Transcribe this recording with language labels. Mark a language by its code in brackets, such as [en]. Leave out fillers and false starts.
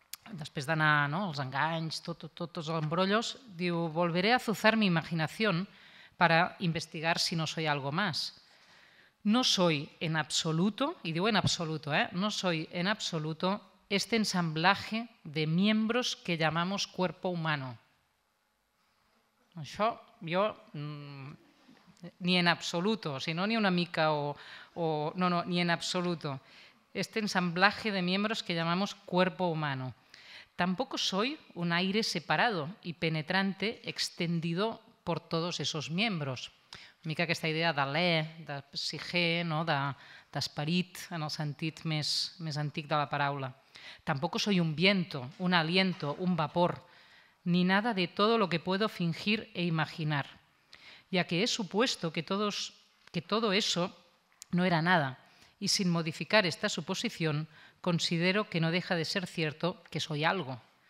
[ca] Després d'anar, no, els enganys, tots els embrollos, diu, [es] volveré a azuzar mi imaginación para investigar si no soy algo más. No soy en absoluto, y digo en absoluto, no soy en absoluto este ensamblaje de miembros que llamamos cuerpo humano. [ca] Això jo ni en absoluto, sino ni una mica o no, ni en absoluto. [es] Este ensamblaje de miembros que llamamos cuerpo humano. Tampoco soy un aire separado y penetrante extendido por todos esos miembros. [ca] Una mica aquesta idea d'alè, de psiche, no? d'esperit, en el sentit més antic de la paraula. [es] Tampoco soy un viento, un aliento, un vapor, ni nada de todo lo que puedo fingir e imaginar, ya que he supuesto que todo eso no era nada, y sin modificar esta suposición, considero que no deja de ser cierto que soy algo.